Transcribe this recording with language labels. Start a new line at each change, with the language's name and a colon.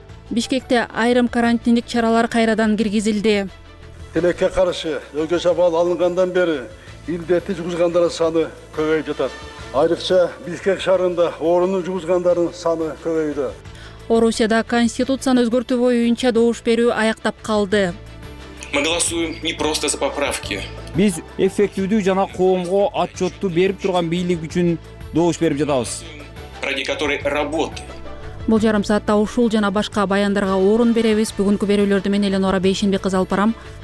Kyrgyz: Бишкекте айрым карантиндик чаралар кайрадан киргизилди. Тилекке каршы өгөз абал алынгандан бери илдетти жугузгандар саны көбөйүп жатат. Айрыкча Бишкек шаарында оорунун жугузгандардын саны көбөйдү. Орусияда конституцияны өзгөртүү боюнча добуш берүү аяктап калды.
Russian: Мы голосуем не просто за поправки.
Kyrgyz: Биз эффективдүү жана коомго отчётту берип турган бийлик үчүн добуш берип жатабыз.
Russian: Ради которой работы.
Kyrgyz: Бул жарым саатта ушул жана башка баяндарга орун беребиз. Бүгүнкү берүүлөрдү мен Эленора Бейшенбек кызы алып барам.